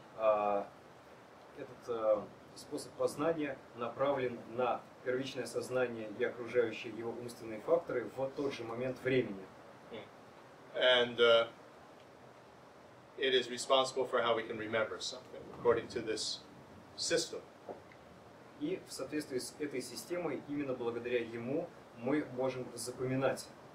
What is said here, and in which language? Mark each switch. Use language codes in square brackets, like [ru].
[ru] Этот способ познания направлен на первичное сознание и окружающие его умственные факторы в тот же момент времени. [en] And it is responsible for how we can remember something according to this system. [ru] И в соответствии с этой системой именно благодаря ему мы можем запоминать.